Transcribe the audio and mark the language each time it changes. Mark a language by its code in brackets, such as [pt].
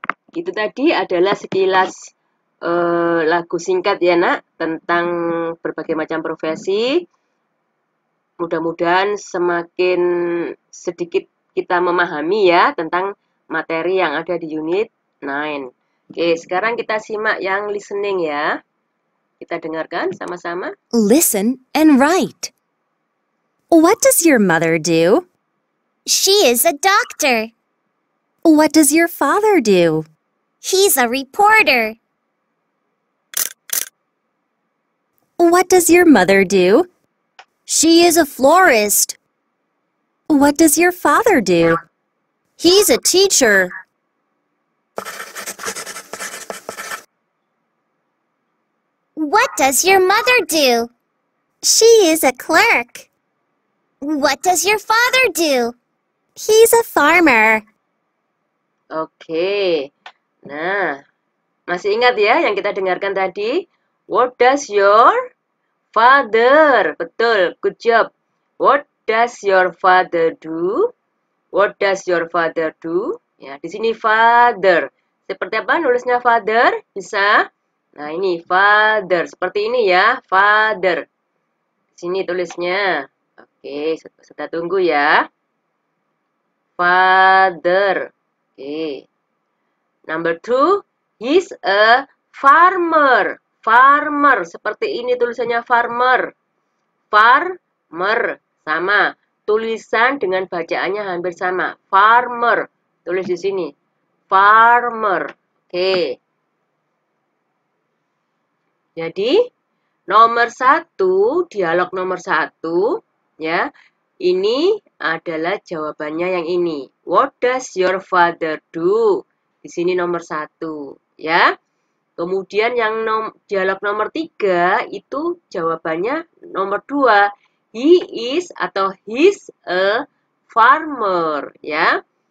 [id] Itu tadi adalah sekilas lagu singkat ya nak, tentang berbagai macam profesi. Mudah-mudahan semakin sedikit kita memahami ya tentang materi yang ada di unit 9. Oke, sekarang kita simak yang listening ya. Kita dengarkan sama-sama. [en] Listen and write. What does your mother do? She is a doctor. What does your father do? He's a reporter. What does your mother do? She is a florist. What does your father do? He's a teacher. What does your mother do? She is a clerk. What does your father do? He's a farmer. Okay. [id] Nah, masih ingat ya yang kita dengarkan tadi? [en] What does your father? [id] Betul, [en] good job. What does your father do? What does your father do? [id] Ya, di sini father. Seperti apa nulisnya father? Bisa? Nah, ini father. Seperti ini ya, father. Di sini tulisnya. Oke, kita tunggu ya. [en] Father. Oke. Number two, he's a farmer. [id] Farmer, seperti ini tulisannya farmer. Farmer, sama. Tulisan dengan bacaannya hampir sama. Farmer, tulis di sini. Farmer, oke. Jadi, nomor satu, dialog nomor satu, ya. Ini adalah jawabannya yang ini. [en] What does your father do? [id] Di sini nomor satu, ya. Kemudian yang dialog nomor tiga, itu jawabannya nomor dua. [en] He is [id] atau [en] he's a farmer, ya.